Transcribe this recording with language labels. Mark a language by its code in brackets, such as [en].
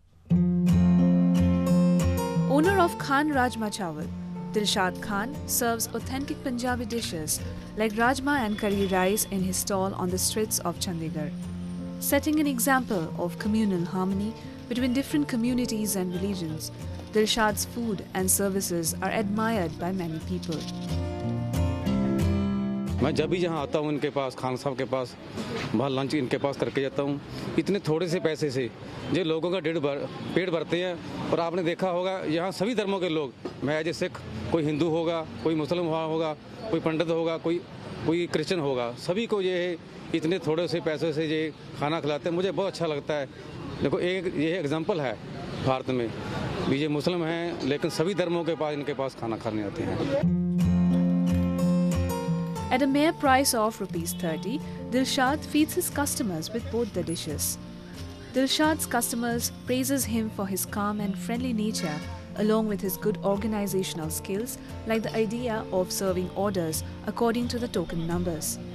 [en] Owner of Khan Rajma Chawal, Dilshad Khan serves authentic Punjabi dishes like rajma and curry rice in his stall on the streets of Chandigarh, setting an example of communal harmony between different communities and religions. Dilshad's food and services are admired by many people. [hi] मैं जब भी यहां आता हूं इनके पास खान साहब के पास वहां लंच इनके पास करके जाता हूं इतने थोड़े से पैसे से जो लोगों का पेट भरते हैं और आपने देखा होगा यहां सभी धर्मों के लोग मैं [en] as a [hi] सिख कोई हिंदू होगा कोई मुस्लिम होगा कोई पंडित होगा कोई क्रिश्चियन होगा सभी को ये इतने थोड़े से पैसे से ये खाना खिलाते हैं मुझे बहुत अच्छा लगता है देखो एक ये एग्जांपल है भारत में भी ये मुस्लिम हैं लेकिन सभी धर्मों के पास इनके पास खाना खाने आते हैं [en] At a mere price of rupees 30, Dilshad feeds his customers with both the dishes. Dilshad's customers praises him for his calm and friendly nature, along with his good organizational skills, like the idea of serving orders according to the token numbers.